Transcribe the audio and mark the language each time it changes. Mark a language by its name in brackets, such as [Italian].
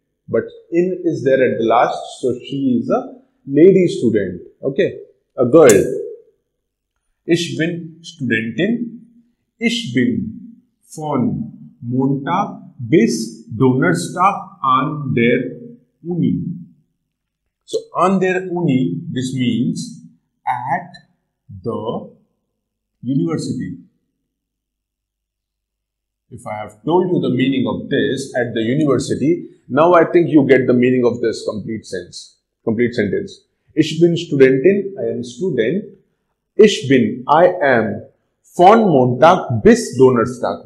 [English] But in is there at the last, so she is a lady student. Okay, a girl. [German] Ich bin Studentin. Ich bin von Montag bis Donnerstag an der Uni. [English] So, [German] an der Uni, [English] this means at the university. If I have told you the meaning of this, at the university, now I think you get the meaning of this complete sense, complete sentence. [German] Ich bin Studentin, [English] I am student. [German] Ich bin, [English] I am, [German] von Montag bis Donnerstag.